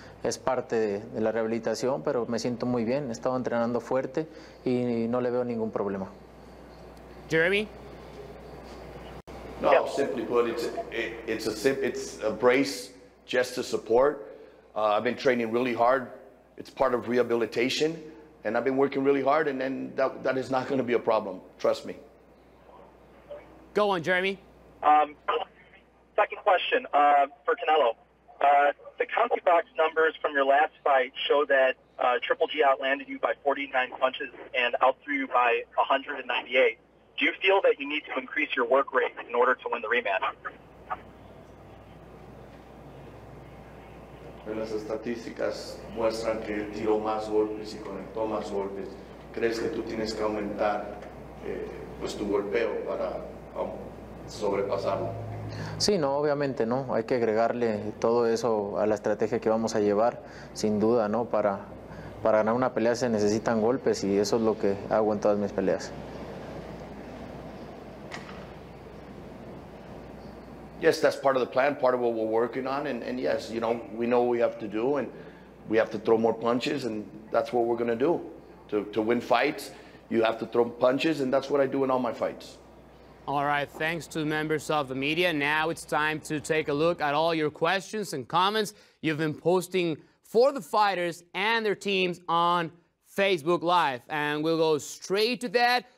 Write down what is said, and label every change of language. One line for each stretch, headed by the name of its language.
Spanish: Es parte de la rehabilitación, pero me siento muy bien. He estado entrenando fuerte y no le veo ningún problema.
English: Jeremy? No, simply put, it's a brace just to support. I've been training really hard. It's part of rehabilitation, and I've been working really hard, and then that is not going to be a problem. Trust me. Go on, Jeremy. Second question for Canelo. The county box numbers from your last fight show that Triple G outlanded you by 49 punches and outthrew you by 198. Do you feel that you need to increase your work rate in order to win the rematch?
Spanish: Las estadísticas muestran que él tiró más golpes y conectó más golpes. ¿Crees que tú tienes que aumentar pues tu golpeo para sobrepasarlo? Sí, no, obviamente no. Hay que agregarle todo eso a la estrategia que vamos a llevar, sin duda, ¿no? Para ganar una pelea se necesitan golpes y eso es lo que hago en todas mis peleas.
English: Yes, that's part of the plan, part of what we're working on, and yes, you know, we know what we have to do, and we have to throw more punches, and that's what we're going to do. To win fights, you have to throw punches, and that's what I do in all my fights. All right, thanks to members of the media. Now it's time to take a look at all your questions and comments you've been posting for the fighters and their teams on Facebook Live, and we'll go straight to that.